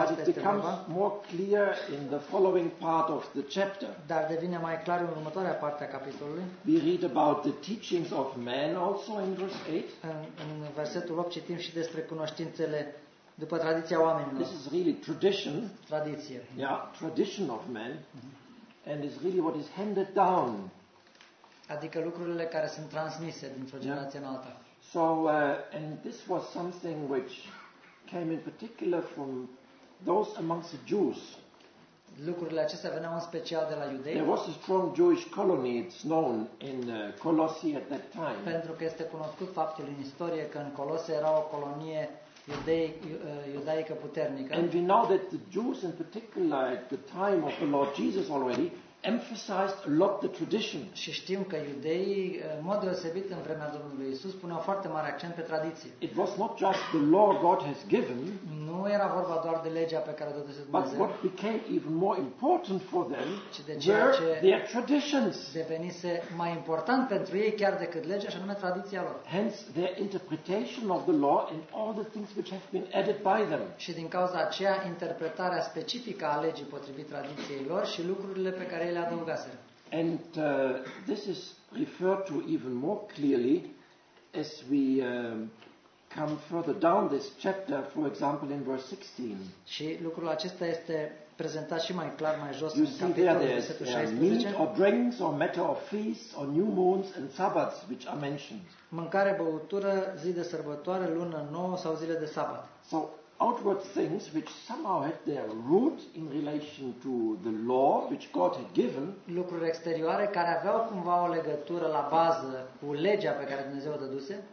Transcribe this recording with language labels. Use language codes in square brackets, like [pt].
[ro] asta este vorba. [en] But it becomes more clear in the following part of the chapter. [ro] Dar devine mai clar în următoarea parte a capitolului. [en] We read about the teachings of man also in verse 8. [ro] În versetul 8 citim și despre cunoștințele după tradiția oamenilor. [en] This is really tradition. [ro] Tradiție. [en] Yeah, tradition of man. And is really what is handed down. [ro] Adică lucrurile care sunt transmise dintr-o generație în alta. [en] So and this was something which came in particular from those amongst the Jews. [ro] Lucrurile acestea veneau în special de la iudei. [en] There was a strong Jewish colony, it's known in Colossae at that time. [ro] Pentru că este cunoscut faptul în istorie că în Colose era o colonie iudaică puternică. [en] And we know that the Jews in particular at the time of the Lord Jesus already emphasized a lot the tradition. [ro] Și știm că iudeii, în mod deosebit în vremea Domnului Isus, puneau foarte mare accent pe tradiție. [en] It was not just the law God has given. [ro] Nu era vorba doar de legea pe care a dat-o Dumnezeu. [en] But what became even more important for them were their traditions. [ro] Devenise mai important pentru ei chiar decât legea, și anume tradiția lor. [en] Hence their interpretation of the law and all the things which have been added by them. [ro] Și din cauza aceea interpretarea specifică a legii potrivit tradiției lor și lucrurile pe care ele adăugaseră. [en] And this is referred to even more clearly as we come further down this chapter, for example in verse 16. [ro] Și lucrul acesta este prezentat și mai clar mai jos [en] you [ro] în capitolul 16. [en] Meat or drinks or matter of feasts or new moons and sabbaths which are mentioned. [ro] Mâncare, băutură, zi de sărbătoare, lună nouă sau zile de sabat. [en] So outward things which somehow had their root in relation to the law which God had given. [ro] Lucruri exterioare care aveau cumva o legătură la bază cu legea pe care Dumnezeu o dăduse.